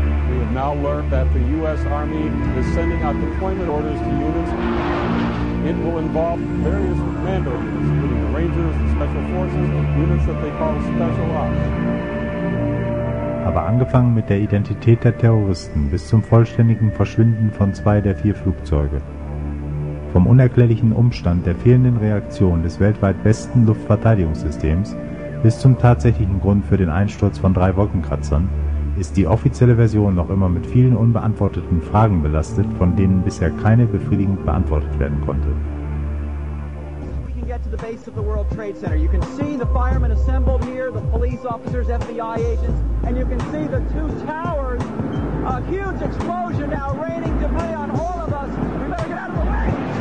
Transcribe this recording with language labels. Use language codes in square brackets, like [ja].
[en] We have now learned that the U.S. Army is sending out deployment orders to units. It will involve various command units, including the Rangers, the Special Forces, units that they call Special Ops. [de] Aber angefangen mit der Identität der Terroristen bis zum vollständigen Verschwinden von 2 der 4 Flugzeuge. Vom unerklärlichen Umstand der fehlenden Reaktion des weltweit besten Luftverteidigungssystems bis zum tatsächlichen Grund für den Einsturz von 3 Wolkenkratzern ist die offizielle Version noch immer mit vielen unbeantworteten Fragen belastet, von denen bisher keine befriedigend beantwortet werden konnte. [en] To the base of the World Trade Center. You can see the firemen assembled here, the police officers, FBI agents, and you can see the 2 towers. A huge explosion now raining debris on all of us. We better get out of the way!